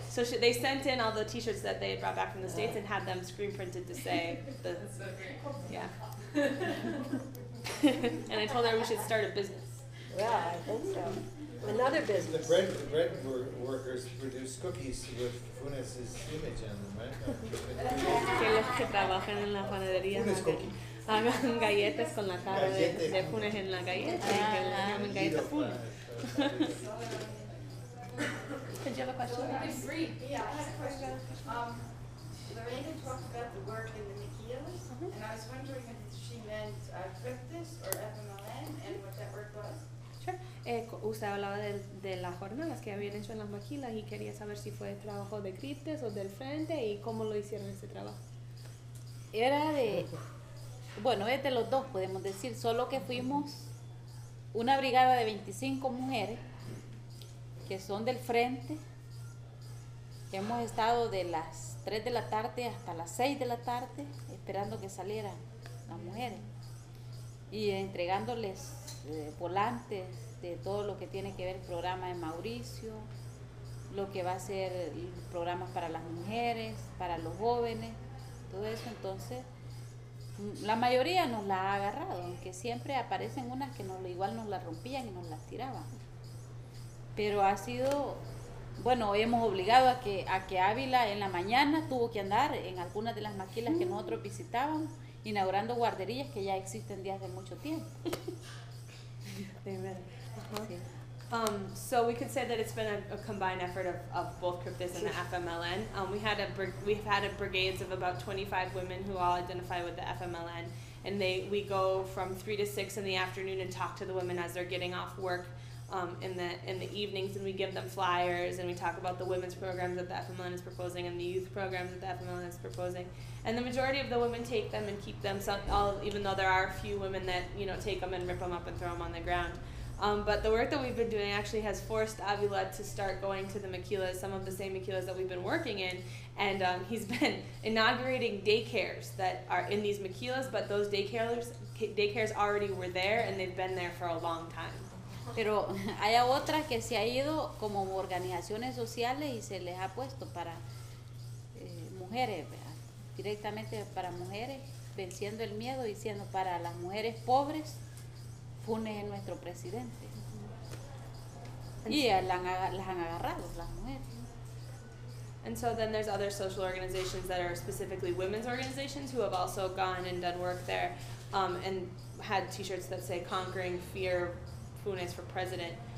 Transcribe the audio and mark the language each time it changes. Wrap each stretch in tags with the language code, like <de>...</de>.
<en>So they sent in all the T-shirts that they had brought back from the States and had them screen printed to say the. That's so great. Yeah. And I told her we should start a business. Yeah, I think so. Another business. The bread workers produce cookies with Funes's image on them, right?</en> <es>Que los que trabajan en la panadería hagan galletas con la cara de Funes en la galleta y que llamen galleta Funes.</es> <en>Did you have a question? Yeah, I had a question. Lorena talked about the work in the Miquillas, and I was wondering if she meant Cryptis or FMLN and what that work was.</en> <es>Usted hablaba de las jornadas que habían hecho en las maquilas y quería saber si fue el trabajo de Cryptis o del Frente y cómo lo hicieron ese trabajo. Era de, bueno, es de los dos, podemos decir, solo que fuimos una brigada de 25 mujeres que son del Frente. Hemos estado de las 3 de la tarde hasta las 6 de la tarde esperando que salieran las mujeres y entregándoles volantes de todo lo que tiene que ver el programa de Mauricio, lo que va a ser el programa para las mujeres, para los jóvenes, todo eso. Entonces, la mayoría nos la ha agarrado, aunque siempre aparecen unas que igual nos la rompían y nos las tiraban. Pero ha sido, bueno, hoy hemos obligado a que Ávila en la mañana tuvo que andar en algunas de las maquilas que nosotros visitábamos, inaugurando guarderías que ya existen desde mucho tiempo. Amen. Uh-huh.</es> <en>So we could say that it's been a combined effort of both Cryptis and the FMLN. We've had brigades of about 25 women who all identify with the FMLN, and we go from 3 to 6 in the afternoon and talk to the women as they're getting off work in the evenings, and we give them flyers and we talk about the women's programs that the FMLN is proposing and the youth programs that the FMLN is proposing. And the majority of the women take them and keep them. Even though there are a few women that take them and rip them up and throw them on the ground. But the work that we've been doing actually has forced Avila to start going to the maquilas, some of the same maquilas that we've been working in, and he's been inaugurating daycares that are in these maquilas, but those daycares already were there, and they've been there for a long time.</en> <es>Pero hay otras que se ha ido como organizaciones sociales y se les ha puesto para mujeres, directamente para mujeres, venciendo el miedo, diciendo para las mujeres pobres, Funes es nuestro presidente. Y las han agarrado las mujeres.</es> <en>And so then there's other social organizations that are specifically women's organizations who have also gone and done work there, and had t-shirts that say Conquering Fear, Funes for President.</en>